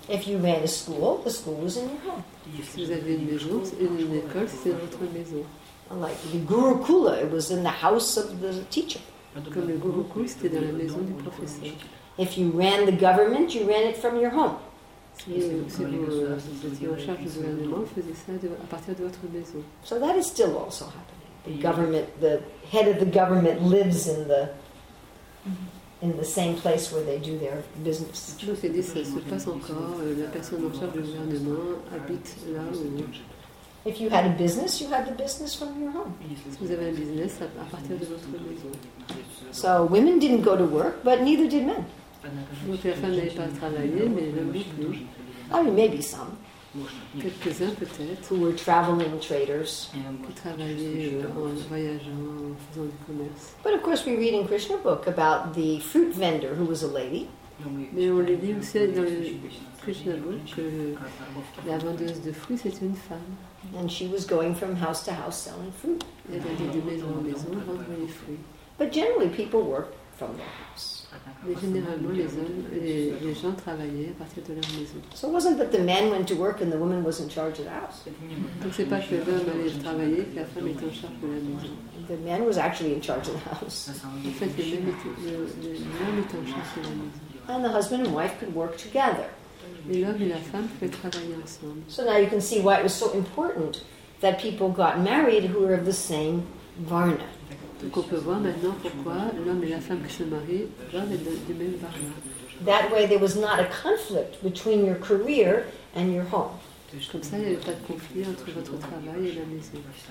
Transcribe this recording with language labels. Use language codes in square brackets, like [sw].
[en] If you ran a school, the school was in your home. [fr] Si vous avez une maison, une école, c'est votre maison. [en] Like the Gurukula, it was in the house of the teacher. [fr] Comme le Gurukula, c'était dans la maison du professeur. [en] If you ran the government, you ran it from your home. [fr] Si vous étiez en charge du gouvernement, vous faisiez ça à partir de votre maison. [en] So that is still also happening. The government, the head of the government lives in the same place where they do their business. [fr] Je vous ai dit, ça se passe encore. La personne en charge du gouvernement habite là où... [en] If you had a business, you had the business from your home. [fr] Si vous avez un business, à partir de votre maison. [en] So women didn't go to work, but neither did men. [fr] Donc la femme n'allait pas travailler, mais l'homme plus. [en] I mean, maybe some. [fr] Quelques-uns peut-être. [en] Who were traveling traders. [fr] Qui travaillaient en voyageant, en faisant du commerce. [en] But of course, we read in Krishna book about the fruit vendor who was a lady. [fr] Mais on le dit aussi dans le Krishna book que la vendeuse de fruits c'est une femme. [en] And she was going from house to house selling fruit. [fr] Elle allait de maison en maison vendre les fruits. [en] But generally, people work from their house. [fr] Mais généralement, les hommes, les gens travaillaient à partir de leur maison. [en] So it wasn't that the man went to work and the woman was in charge of the house. [fr] Donc c'est pas que l'homme allait travailler et la femme était en charge de la maison. [en] The man was actually in charge of the house. [fr] En fait, l'homme était en charge de la maison. [en] And the husband and wife could work together. [fr] Et l'homme et la femme pouvaient travailler ensemble. [en] So now you can see why it was so important that people got married who were of the same varna. [fr] Donc on peut voir maintenant pourquoi l'homme et la femme qui se marient doivent être du même varna. [en] That way there was not a conflict between your career and your home. [fr] Comme ça, il n'y avait pas de conflit entre votre travail et la maison.